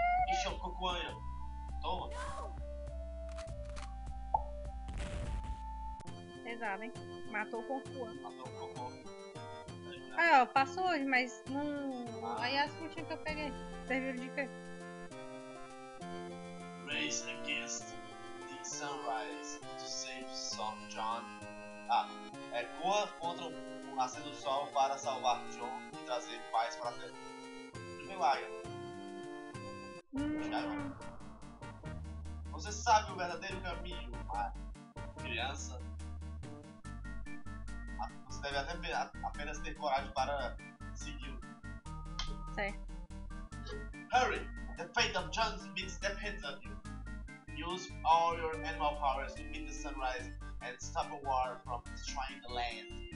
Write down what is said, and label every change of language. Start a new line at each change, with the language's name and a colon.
Portuguese: Ixi, é o Cocuanha. Toma. Pesado, hein? Matou o Cocuanha. Matou o Cocuanha. Aí, ó, passou hoje, mas não. Aí as frutinhas que eu peguei. Serviram de quê?
English: Race against the sunrise to save Son John.
Portuguese: Ah, é boa contra o nascer do sol para salvar John e trazer paz para a terra. Milagre. Você sabe o verdadeiro caminho, criança. Você deve até apenas ter coragem para segui-lo. Certo.
English: Hurry! The fate of John's beats depends on you. Use all your animal powers to beat the sunrise and stop a war from destroying the land.